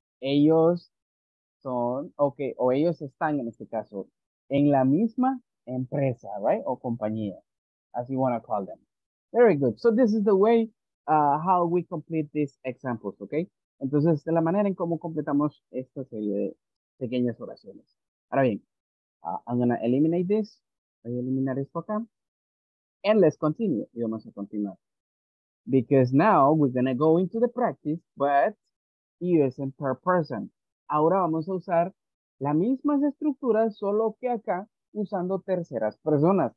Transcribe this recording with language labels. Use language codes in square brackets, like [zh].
[es] Ellos son, okay, o ellos están en este caso en la misma empresa, right? O compañía, [en] as you want to call them. Very good. So this is the way how we complete these examples, okay? [es] Entonces, de la manera en cómo completamos esta serie de pequeñas oraciones. Ahora bien, [en] I'm going to eliminate this. [es] Voy a eliminar esto acá. [en] And let's continue. [es] Y vamos a continuar. [en] Because now we're going to go into the practice, but using per person. [es] Ahora vamos a usar las mismas estructuras, solo que acá usando terceras personas.